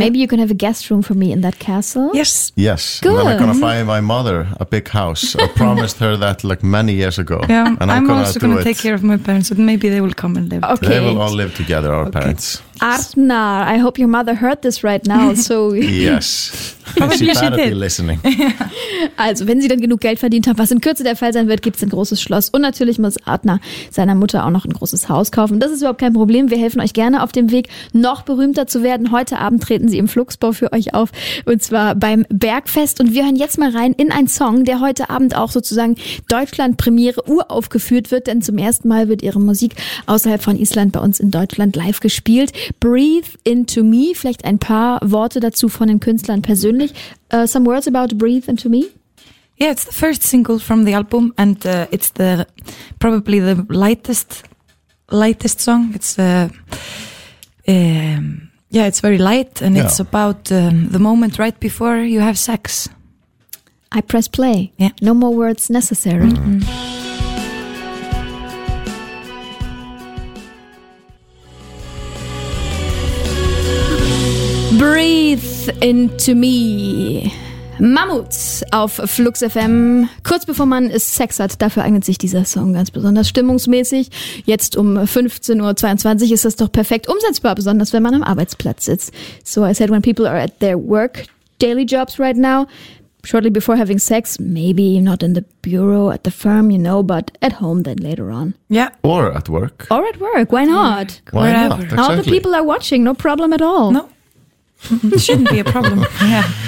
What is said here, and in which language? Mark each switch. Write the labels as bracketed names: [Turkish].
[English] Maybe you can have a guest room for me in that castle. Yes. Yes. Good. And then we're going to buy my mother a big house. I promised her that like many years ago. Yeah, and I'm also going to take care of my parents, but maybe they will come and live. Okay. They will all live together, our parents. Arnar, I hope your mother heard this right now. So yes. She better be listening. [German] Also, wenn sie dann genug Geld verdient haben, was in Kürze der Fall sein wird, gibt es ein großes Schloss. Und natürlich muss Arnar seiner Mutter auch noch ein großes Haus kaufen. Das ist überhaupt kein Problem. Wir helfen euch gerne auf dem Weg, noch berühmter zu werden. Heute Abend treten sie im Fluxbau für euch auf, und zwar beim Bergfest. Und wir hören jetzt mal rein in einen Song, der heute Abend auch sozusagen Deutschland-Premiere uraufgeführt wird. Denn zum ersten Mal wird ihre Musik außerhalb von Island bei uns in Deutschland live gespielt. Breathe Into Me. Vielleicht ein paar Worte dazu von den Künstlern persönlich. [English] Some words about Breathe Into Me. Yeah, it's the first single from the album, and it's the probably the lightest song. It's it's very light, and it's about the moment right before you have sex. I press play. Yeah, no more words necessary. Mm-hmm. [German] Breathe Into Me. Mammut auf Flux FM. Kurz bevor man Sex hat, dafür eignet sich dieser Song ganz besonders stimmungsmäßig. Jetzt um 15.22 Uhr ist das doch perfekt umsetzbar, besonders wenn man am Arbeitsplatz sitzt. [English] So I said, when people are at their work, daily jobs right now, shortly before having sex, maybe not in the bureau, at the firm, you know, but at home then later on. Yeah. Or at work. Or at work, why not? Why not? Exactly. All the people are watching, no problem at all. No. Shouldn't be a problem. Yeah.